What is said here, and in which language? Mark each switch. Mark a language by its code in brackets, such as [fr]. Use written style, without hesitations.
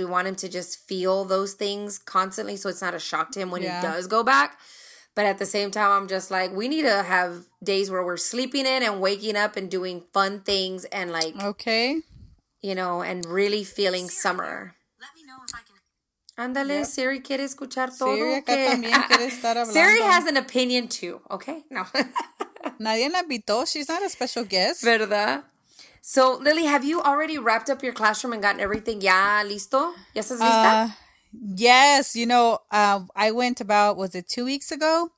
[en] We want him to just feel those things constantly so it's not a shock to him when he does go back. But at the same time, I'm just like, we need to have days where we're sleeping in and waking up and doing fun things and like, okay, you know, and really feeling Siri, summer. Let me know if I can. Andale, yep. [es] Siri quiere escuchar todo. Siri, [en] okay. [es] Acá también quiere estar hablando. [en] Siri has an opinion too, okay? No. [es] Nadie la invitó. [en] She's not a special guest. [es] ¿Verdad? [en] So, Lily, have you already wrapped up your classroom and gotten everything [es] ya listo? ¿Ya estás lista? [en] Yes, you know, I went about, was it 2 weeks ago?